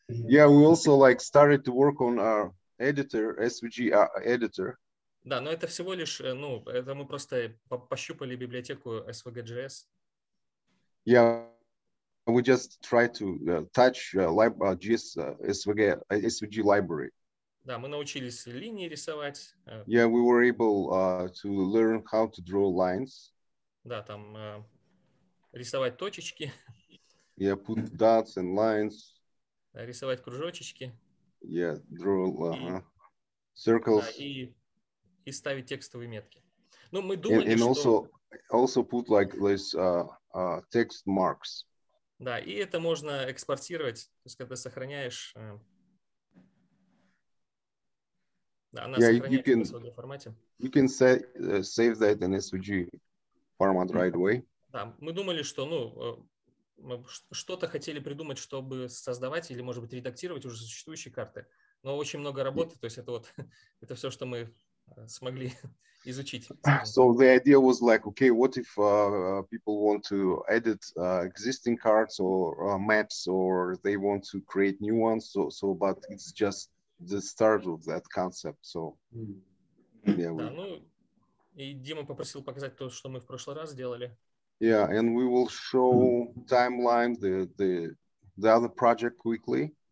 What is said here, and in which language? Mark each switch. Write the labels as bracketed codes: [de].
[en] Yeah, we also like started to work on our editor, SVG editor. [ru] Да, но это всего лишь, ну, это мы просто пощупали библиотеку SVG.js. [en] Yeah, we just try to touch SVG library. [ru] Да, мы научились линии рисовать. [en] Yeah, we were able to learn how to draw lines. [ru] Да, там рисовать точечки. [en] Yeah, put dots and lines. [ru] Рисовать кружочечки. [en] Yeah, draw circles. [ru] Да, и ставить текстовые метки. Ну, мы думали, [en] and also, [ru] что... [en] also put like this text marks. [ru] Да, и это можно экспортировать, то есть когда сохраняешь. Да, она сохраняется в SVG формате. [en] You can save that in SVG format mm-hmm. right away. [ru] Да, мы думали, что, ну. Мы что-то хотели придумать, чтобы создавать или, может быть, редактировать уже существующие карты. Но очень много работы, то есть это вот это все, что мы смогли изучить. [en] So the idea was like, okay, what if people want to edit existing cards or maps, or they want to create new ones, so but it's just the start of that concept. So, yeah, we... [ru] Да, ну, и Дима попросил показать то, что мы в прошлый раз делали. [en] Yeah, and we will show timeline the other project quickly.